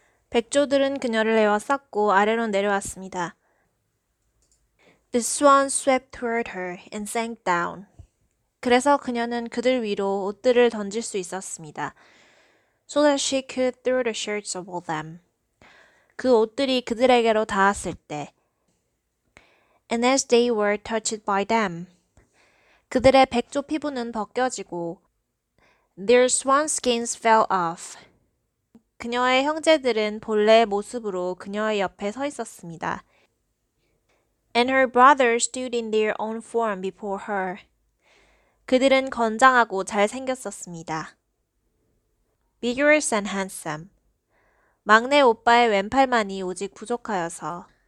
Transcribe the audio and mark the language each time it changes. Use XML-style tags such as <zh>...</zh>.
<ko>백조들은 그녀를 에워쌌고 아래로 내려왔습니다.</ko> <en>The swan swept toward her and sank down.</en> <ko>그래서 그녀는 그들 위로 옷들을 던질 수 있었습니다.</ko> <en>So that she could throw the shirts of all them.</en> <ko>그 옷들이 그들에게로 닿았을 때.</ko> <en>And as they were touched by them.</en> <ko>그들의 백조 피부는 벗겨지고.</ko> <en>Their swan skins fell off.</en> <ko>그녀의 형제들은 본래의 모습으로 그녀의 옆에 서 있었습니다.</ko> <en>And her brothers stood in their own form before her.</en> <ko>그들은 건장하고 잘생겼었습니다.</ko> <en>Vigorous and handsome.</en> <ko>막내 오빠의 왼팔만이 오직 부족하여서.</ko>